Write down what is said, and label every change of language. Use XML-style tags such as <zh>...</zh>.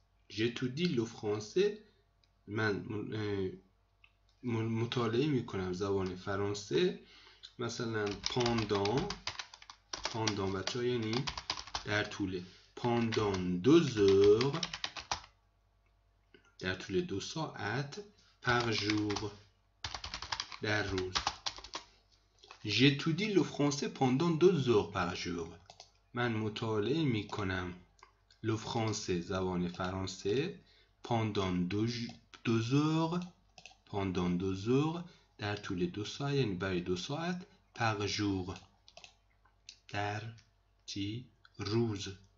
<fr>J'étudie le français,</fr> <fa>من مطالعه میکنم زبان فرانسه. مثلا pendant بچه ها یعنی در طول.</fa> <fr>Pendant deux heures,</fr> <fa>در طول دو ساعت.</fa> <fr>Par jour,</fr> <fa>در روز.</fa> <fr>J'étudie le français pendant deux heures par jour.</fr> <fa>من مطالعه می کنم</fa> <fr>le français,</fr> <fa>زبان فرانسه,</fa> <fr>pendant deux heures, pendant deux heures,</fr> <fa>در طول دو ساعت, یعنی برای دو ساعت,</fa> <fr>par jour,</fr> <fa>در چی روز.</fa>